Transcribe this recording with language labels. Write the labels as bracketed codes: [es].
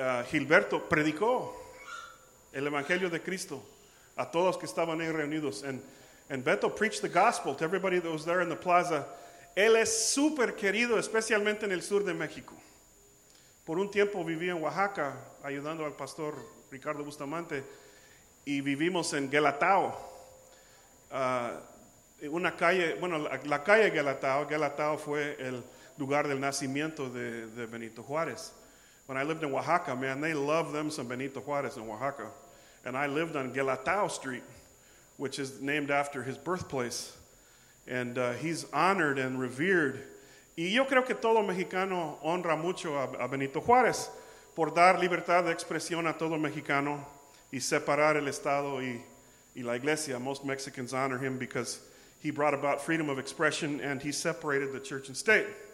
[es] Gilberto predicó el Evangelio de Cristo a todos que estaban ahí reunidos. [en] And Beto preached the gospel to everybody that was there in the plaza. [es] Él es súper querido, especialmente en el sur de México. Por un tiempo viví en Oaxaca ayudando al pastor Ricardo Bustamante, y vivimos en Guelatao, una calle, bueno, la calle Guelatao. Guelatao fue el lugar del nacimiento de Benito Juárez. [en] When I lived in Oaxaca, man, they love them some Benito Juárez in Oaxaca. And I lived on Guelatao Street, which is named after his birthplace. And he's honored and revered. [es] Y yo creo que todo mexicano honra mucho a Benito Juárez por dar libertad de expresión a todo mexicano y separar el Estado y la iglesia. [en] Most Mexicans honor him because he brought about freedom of expression and he separated the church and state.